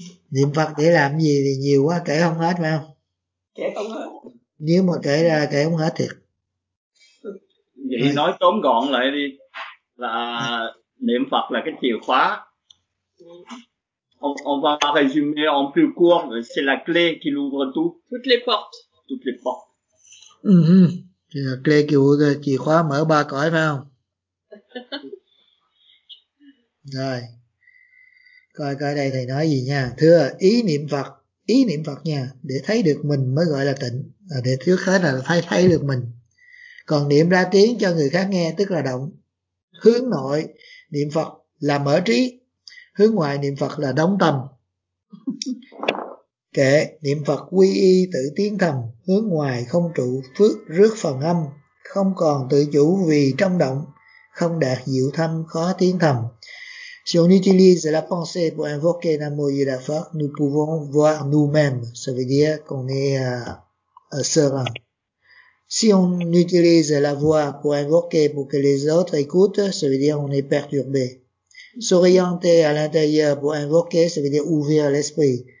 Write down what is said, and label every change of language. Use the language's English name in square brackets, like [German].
[Vietnamese] Niệm Phật để làm gì thì nhiều quá, kể không hết phải không? Kể không hết. Nếu mà kể ra kể không hết thiệt. Vậy nói tóm gọn lại đi. là niệm Phật là cái chìa khóa. [French] On va résumer en plus court, c'est la clé qui ouvre tout. Toutes les portes. Toutes les portes. C'est la clé qui ouvre, chìa khóa mở ba cõi phải không? [Vietnamese] Rồi. Coi coi đây thầy nói gì nha. Thưa, ý niệm Phật nha, để thấy được mình mới gọi là tịnh, để trước hết là phải thấy được mình. Còn niệm ra tiếng cho người khác nghe tức là động. Hướng nội niệm Phật là mở trí, hướng ngoại niệm Phật là đóng tâm. Kệ, niệm Phật quy y tự tiến thầm, hướng ngoài không trụ phước rước phần âm, không còn tự chủ vì trong động, không đạt diệu thâm khó tiến thầm. [French] Si on utilise la pensée pour invoquer Namo Yudha Phật, nous pouvons voir nous-mêmes. Ça veut dire qu'on est serein. Si on utilise la voix pour invoquer, pour que les autres écoutent, ça veut dire qu'on est perturbé. S'orienter à l'intérieur pour invoquer, ça veut dire ouvrir l'esprit.